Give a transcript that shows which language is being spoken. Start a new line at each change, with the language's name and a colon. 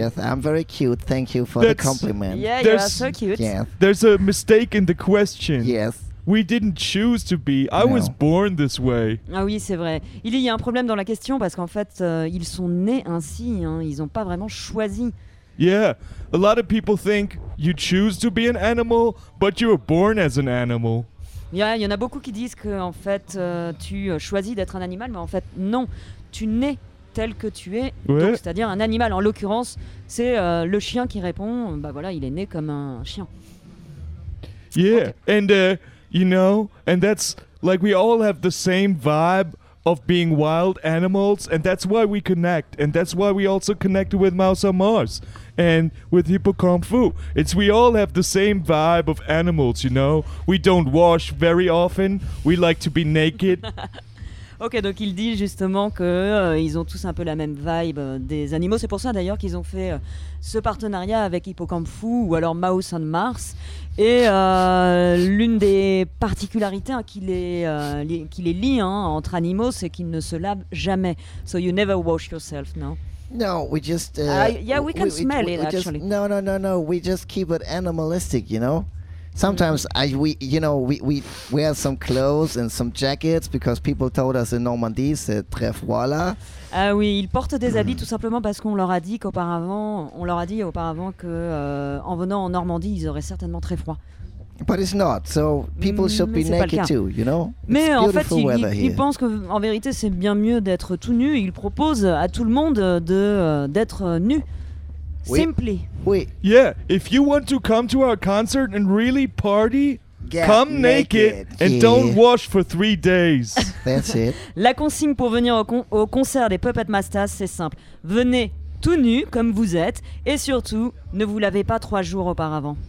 English: Yes, I'm very cute, thank you for the compliment. Yeah, you are so cute. Yes. There's a mistake in the question. Yes. We didn't choose to be, I was born this way.
French: Ah oui, c'est vrai. Il y a un problème dans la question parce qu'en fait, ils sont nés ainsi, hein. Ils n'ont pas vraiment choisi
English: Yeah. A lot of people think you choose to be an animal, but you were born as an animal.
French: Yeah, il y en a beaucoup qui disent que en fait tu choisis d'être un animal, mais en fait non, tu nais tel que tu es. Ouais. Donc c'est-à-dire un animal en l'occurrence, c'est le chien qui répond, bah voilà, il est né comme un chien.
English: Yeah. Okay. And you know, and that's like we all have the same vibe of being wild animals, and that's why we connect, and that's why we also connect with Mouse on Mars and with Hippocampfu. It's we all have the same vibe of animals, you know. We don't wash very often, we like to be naked.
French: Ok, donc il dit justement qu'ils ont tous un peu la même vibe des animaux. C'est pour ça d'ailleurs qu'ils ont fait ce partenariat avec Hippocampfu ou alors Mouse on Mars. Et l'une des particularités hein, qui les lie hein, entre animaux, c'est qu'ils ne se lavent jamais.
English: So you never wash yourself, no? No, we just... Yeah, we can smell it, actually. No. We just keep it animalistic, you know? Sometimes we wear some clothes and some jackets because people told us in Normandy
French: c'est très froid là. Ah oui, ils portent des habits tout simplement parce qu'on leur a dit qu'auparavant, que en venant en Normandie, ils auraient certainement très froid.
English: But it's not. So people should be naked too, you know.
French: Mais en fait, ils pensent que en vérité, c'est bien mieux d'être tout nu. Ils proposent à tout le monde de d'être nu.
English: Simply.
French: Oui.
English: Yeah, if you want to come to our concert and really party, Get naked. Don't wash for 3 days. That's it.
French: La consigne pour venir au concert des Puppet Masters, c'est simple. Venez tout nu, comme vous êtes, et surtout, ne vous lavez pas 3 jours auparavant.